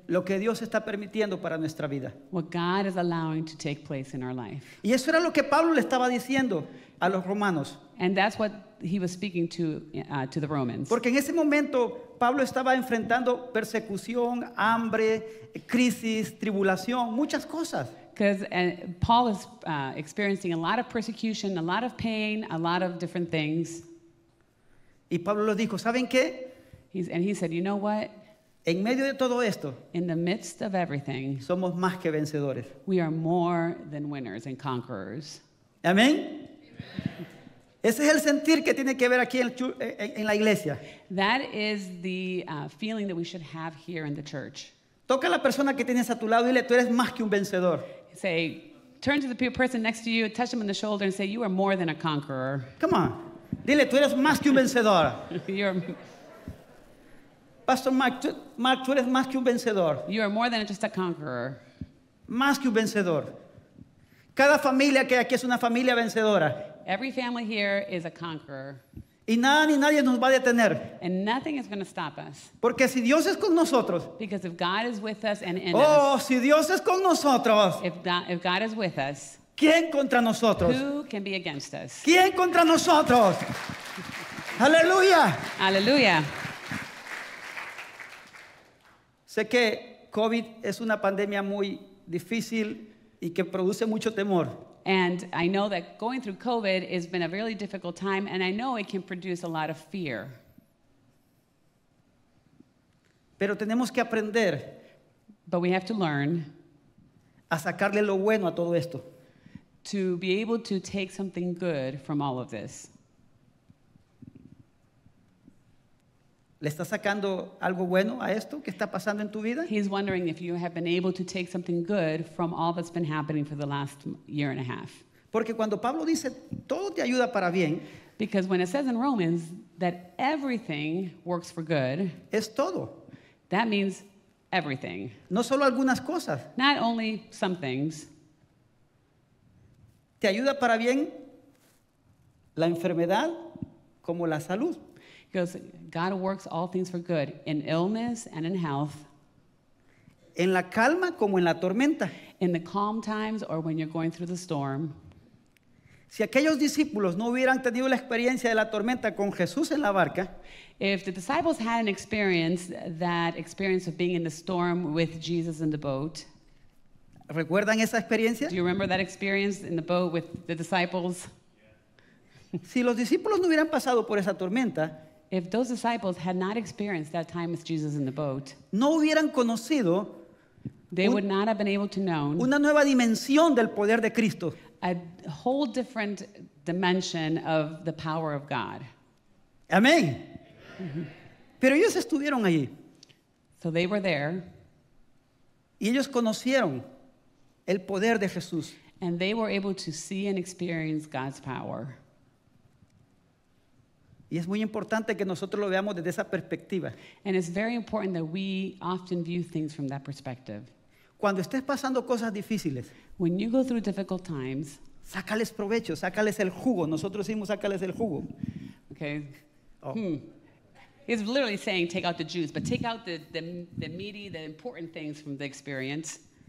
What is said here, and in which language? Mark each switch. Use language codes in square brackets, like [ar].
[es] Lo que Dios está permitiendo para nuestra vida. [en] What God is allowing to take place in our life. [es] Y eso era lo que Pablo le estaba diciendo a los romanos. [en] And that's what he was speaking to the Romans. [es] Porque en ese momento Pablo estaba enfrentando persecución, hambre, crisis, tribulación, muchas cosas. [en] Because Paul is experiencing a lot of persecution, a lot of pain, a lot of different things. [es] Y Pablo lo dijo, ¿saben qué? [en] He said, you know what? [es] En medio de todo esto, [en] in the midst of everything, [es] somos más que vencedores. [en] We are more than winners and conquerors. [es] Amén. Ese es el sentir que tiene que ver aquí en la iglesia. [en] That is the feeling that we should have here in the church. [es] Toca a la persona que tienes a tu lado y dile, tú eres más que un vencedor. [en] Say, turn to the person next to you, touch them on the shoulder and say, you are more than a conqueror. Come on. [es] Dile, tú eres más que un vencedor. [en] You're... [es] Pastor Mark, tú eres más que un vencedor. [en] You are more than just a conqueror. [es] Más que un vencedor. Cada familia que aquí es una familia vencedora. [en] Every family here is a conqueror. [es] Y nada ni nadie nos va a detener. [en] And nothing is going to stop us. [es] Porque si Dios es con nosotros. [en] Because if God is with us and in oh, us. [es] Oh, si Dios es con nosotros. [en] If God is with us. [es] ¿Quién contra nosotros? Who can be against us? ¿Quién contra nosotros? Aleluya. Aleluya. Sé que COVID es una pandemia muy difícil y que produce mucho temor. [en] And I know that going through COVID has been a really difficult time, and I know it can produce a lot of fear. [es] Pero tenemos que aprender. [en] But we have to learn. [es] A sacarle lo bueno a todo esto. [en] To be able to take something good from all of this. [es] ¿Le está sacando algo bueno a esto que está pasando en tu vida? [en] He's wondering if you have been able to take something good from all that's been happening for the last year and a half. [es] Porque cuando Pablo dice, todo te ayuda para bien. [en] Because when it says in Romans that everything works for good. [es] Es todo. [en] That means everything. [es] No solo algunas cosas. [en] Not only some things. [es] Te ayuda para bien la enfermedad como la salud. [en] Because God works all things for good in illness and in health. [es] En la calma como en la tormenta. [en] In the calm times or when you're going through the storm. [es] Si aquellos discípulos no hubieran tenido la experiencia de la tormenta con Jesús en la barca, [en] if the disciples hadn't experienced that experience of being in the storm with Jesus in the boat. [es] ¿Recuerdan esa experiencia? [en] Do you remember that experience in the boat with the disciples? [es] Si los discípulos no hubieran pasado por esa tormenta, [en] if those disciples had not experienced that time with Jesus in the boat, [es] no hubieran conocido, [en] they would not have been able to know [es] una nueva dimensión del poder de Cristo. [en] A whole different dimension of the power of God. [es] Amén. Pero ellos estuvieron allí. [en] So they were there. [es] Y ellos conocieron el poder de Jesús. [en] And they were able to see and experience God's power. [es] Y es muy importante que nosotros lo veamos desde esa perspectiva. [en] And it's very important that we often view things from that perspective. [es] Cuando estés pasando cosas difíciles, [en] when you go through difficult times, [es] sácales provecho, sácales el jugo. Nosotros decimos sácales el jugo. Okay. Oh. Hmm. [en] It's literally saying take out the juice, but take out the meaty, the important things from the experience.